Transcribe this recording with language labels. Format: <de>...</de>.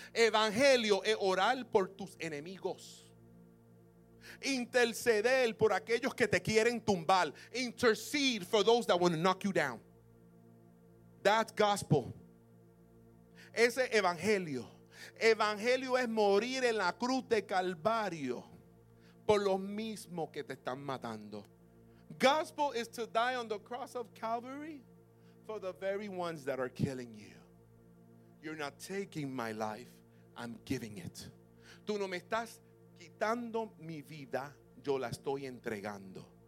<es>Evangelio es orar por tus enemigos. Interceder por aquellos que te quieren tumbar.</es> <en>Intercede for those that want to knock you down. That's gospel.</en> <es>Ese evangelio. Evangelio es morir en la cruz de Calvario por lo mismo que te están matando.</es> <en>Gospel is to die on the cross of Calvary for the very ones that are killing you. You're not taking my life, I'm giving it.</en> <es>Tú no me estás quitando mi vida, yo la estoy entregando.</es>